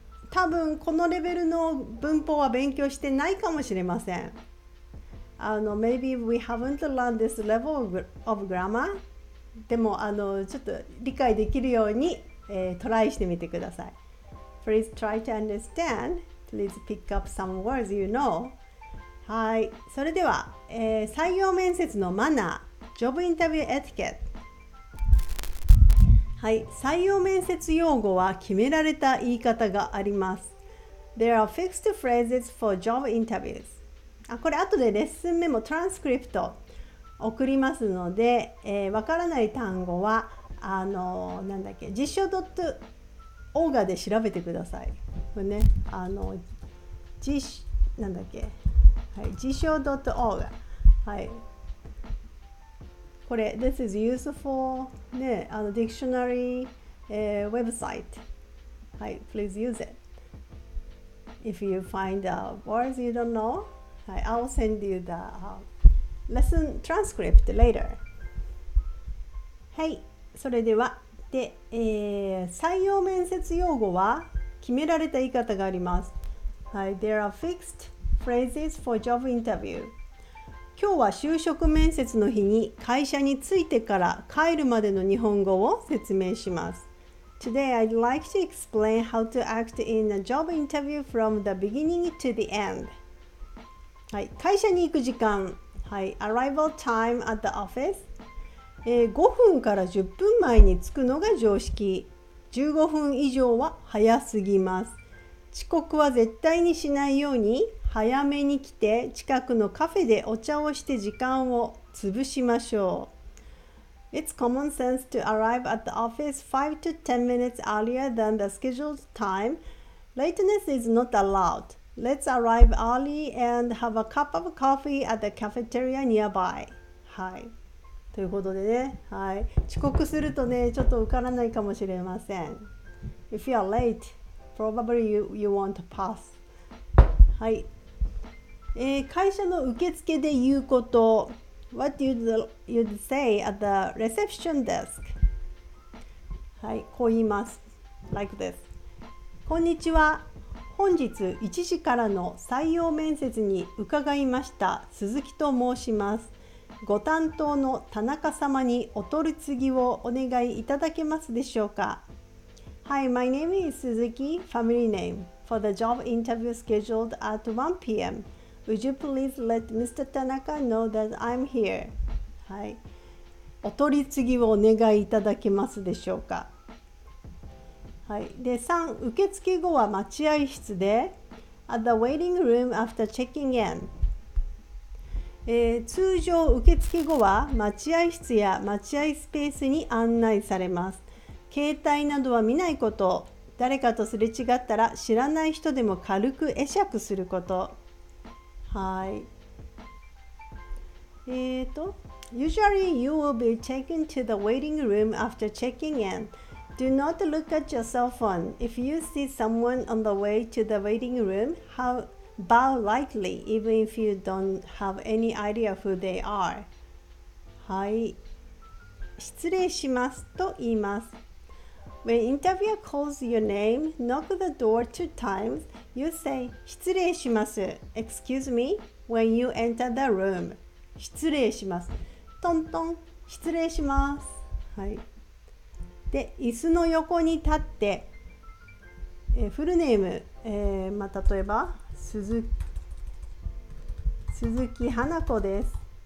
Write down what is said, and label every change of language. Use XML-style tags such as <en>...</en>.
<ja>多分このレベルの文法は勉強してないかもしれません。</ja> <en>Maybe we haven't learned this level of grammar.</en> <ja>でもちょっと理解できるようにトライしてみてください。</ja> <en>Please try to understand. Please pick up some words you know.</en> <ja>はい、それでは、採用面接のマナー、ジョブインタビューエティケット。はい、採用面接用語は決められた言い方があります。</ja> <en>There are fixed phrases for job interviews.</en> <ja>あ、これ後でレッスンメモ、トランスクリプト送りますので、わからない単語はなんだっけ、実証 .org で調べてください。これね、なんだっけ、はい、実証 .org。</ja> <en>はい。</en> <ja>これ、</ja> <en>This is useful, ね、dictionary website. はい、please use it. If you find words you don't know, はい、I'll send you the lesson transcript later. Hey!</en> <ja>それでは、採用面接用語は決められた言い方があります。</ja> <en>はい、There are fixed phrases for job interview.</en> <ja>今日は就職面接の日に会社に着いてから帰るまでの日本語を説明します。</ja> <en>Today I'd like to explain how to act in a job interview from the beginning to the end.</en> <ja>はい、会社に行く時間、はい、arrival time at the office. 5分から10分前に着くのが常識。 15分以上は早すぎます。遅刻は絶対にしないように、早めに来て近くのカフェでお茶をして時間を潰しましょう。</ja> <en>It's common sense to arrive at the office 5 to 10 minutes earlier than the scheduled time. Lateness is not allowed. Let's arrive early and have a cup of coffee at the cafeteria nearby.</en> <ja>はい。ということでね、はい、遅刻するとね、ちょっと受からないかもしれません。</ja> <en>If you are late, probably you won't pass.</en> <ja>はい、会社の受付で言うこと、</ja> <en>What you'd say at the reception desk?</en> <ja>はい、こう言います。</ja> <en>Like this.</en> <ja>こんにちは。本日1時からの採用面接に伺いました鈴木と申します。ご担当の田中様にお取り次ぎをお願いいただけますでしょうか。</ja> <en>Hi, my name is Suzuki, family name, for the job interview scheduled at 1 p.m. Would you please let Mr. Tanaka know that I'm here? はい、</en> <ja>お取り次ぎをお願いいただけますでしょうか。はい、で3、受付後は待合室で</ja> <en>At the waiting room after checking in、</en> <ja>通常受付後は待合室や待合スペースに案内されます。携帯などは見ないこと、誰かとすれ違ったら知らない人でも軽く会釈すること。</ja> <en>はい、Usually you will be taken to the waiting room after checking in. Do not look at your cell phone. If you see someone on the way to the waiting room, bow lightly even if you don't have any idea who they are.</en> <ja>はい、失礼しますと言います。</ja> <en>When interviewer calls your name, knock the door 2 times, you say</en> <ja>失礼します。</ja> <en>Excuse me when you enter the room.</en> <ja>失礼します。トントン、失礼します、はい、で椅子の横に立って、フルネーム、例えば鈴木花子です。</ja>